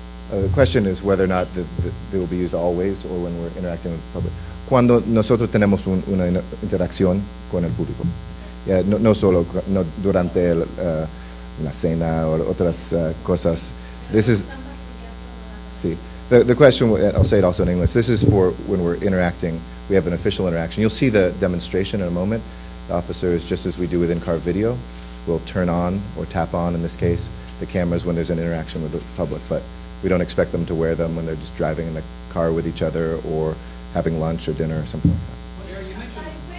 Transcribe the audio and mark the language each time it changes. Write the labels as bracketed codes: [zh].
[en] The question is whether or not they will be used always or when we're interacting with the public. [es] Cuando nosotros tenemos una interacción con el público, no solo durante la cena o otras cosas. [en] This is. Sí. The question, I'll say it also in English. This is for when we're interacting. We have an official interaction. You'll see the demonstration in a moment. The officers, just as we do with in-car video, will turn on or tap on, in this case, the cameras when there's an interaction with the public. But we don't expect them to wear them when they're just driving in the car with each other or having lunch or dinner or something like that.